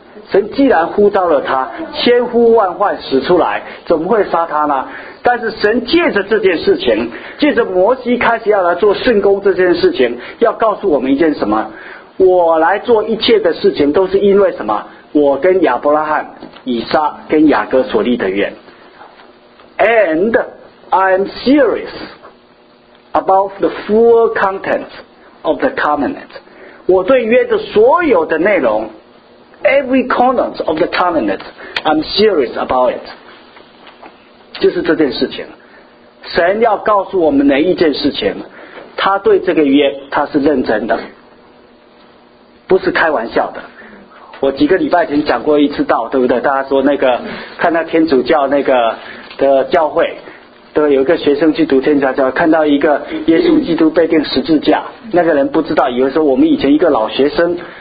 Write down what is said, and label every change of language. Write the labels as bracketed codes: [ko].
[zh] 神既然呼召了他，千呼万唤使出来，怎么会杀他呢？但是神借着这件事情，借着摩西开始要来做圣工这件事情，要告诉我们一件什么？我来做一切的事情都是因为什么？我跟亚伯拉罕、以撒跟雅各所立的愿。 [en] And I am serious about the full content of the covenant. [zh] 我对约的所有的内容， [en] Every corner of the covenant, I'm serious about it. [zh] 就是这件事情，神要告诉我们哪一件事情，他对这个约他是认真的，不是开玩笑的。我几个礼拜前讲过一次道，对不对？大家说那个看到天主教那个的教会，对，有一个学生去读天主教，看到一个耶稣基督被钉十字架，那个人不知道，以为说我们以前一个老学生。